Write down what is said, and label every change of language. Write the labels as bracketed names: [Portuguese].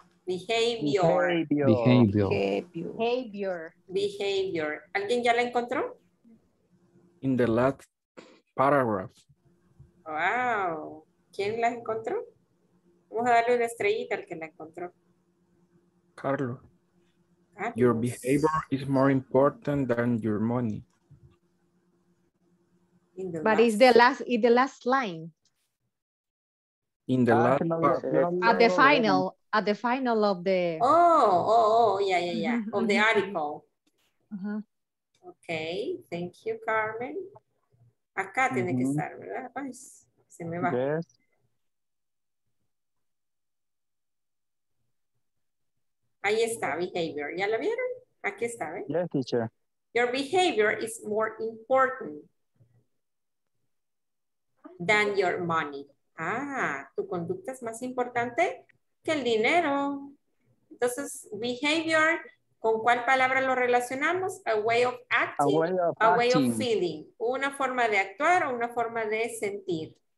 [English] Behavior. Behavior. [Spanish] Behavior. Behavior. ¿Alguien ya la encontró? [English] In the last paragraph. [Spanish] Wow. ¿Quién la encontró? Vamos a darle una estrellita al que la encontró. Carlos. [English] Your behavior is more important than your money. But it's the last in the last line. In the last at the final. At the final of the Oh, yeah. Of the article. Uh-huh. Okay, thank you, [Spanish] Carmen. Acá mm-hmm. tiene que estar, ¿verdad? Ay, se me va. [English] Yes. [Spanish] Ahí está, behavior. ¿Ya la vieron? Aquí está, ¿eh? [English] Yes, teacher. Your behavior is more important than your money. [Spanish] Ah, tu conducta es más importante que el dinero. Entonces, behavior, ¿con cuál palabra lo relacionamos? [English] A way of acting, way of feeling. [Spanish] Una forma de actuar o una forma de sentir.